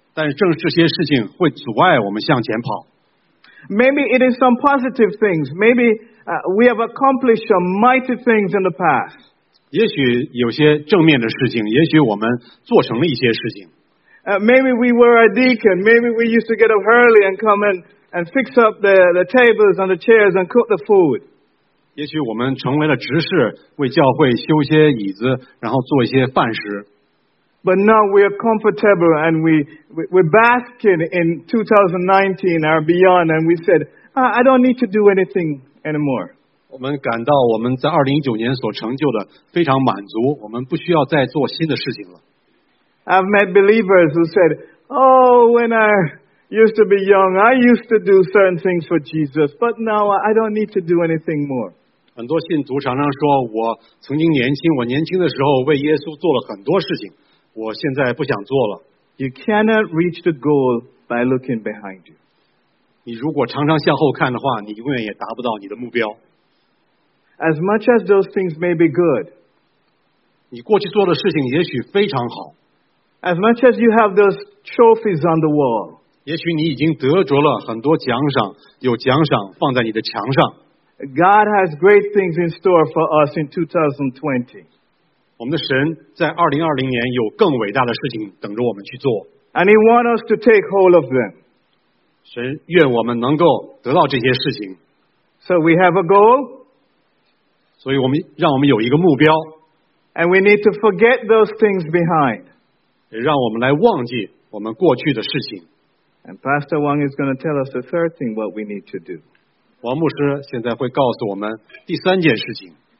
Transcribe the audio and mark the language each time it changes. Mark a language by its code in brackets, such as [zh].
[zh] 但正这些事情会阻碍我们向前跑。 [en] Maybe it is some positive things. Maybe. We have accomplished some mighty things in the past. [zh] 也许有些正面的事情，也许我们做成了一些事情。 [en] Maybe we were a deacon. Maybe we used to get up early and come and fix up the tables and the chairs and cook the food. [zh] 也许我们成为了执事，为教会修些椅子，然后做一些饭食。 [en] But now we are comfortable and we're basking in 2019 or beyond, and we said, I don't need to do anything anymore. [zh] 我们感到我们在2019年所成就的非常满足，我们不需要再做新的事情了。 [en] I've met believers who said, when I used to be young, I used to do certain things for Jesus, but now I don't need to do anything more. [zh] 很多信徒常常说，我曾经年轻，我年轻的时候为耶稣做了很多事情，我现在不想做了。 [en] You cannot reach the goal by looking behind you. [zh] 你如果常常向后看的话，你永远也达不到你的目标。 [en] As much as those things may be good, [zh] 你过去做的事情也许非常好。 [en] As much as you have those trophies on the wall, [zh] 也许你已经得着了很多奖赏，有奖赏放在你的墙上。 [en] God has great things in store for us in 2020. [zh] 我们的神在2020年有更伟大的事情等着我们去做。 [en] And he wants us to take hold of them. [zh] 神愿我们能够得到这些事情。 [en] So we have a goal. [zh] 所以我们让我们有一个目标。 [en] And we need to forget those things behind. [zh] 让我们来忘记我们过去的事情。 [en] And Pastor Wang is going to tell us the third thing what we need to do. [zh] 王牧师现在会告诉我们第三件事情。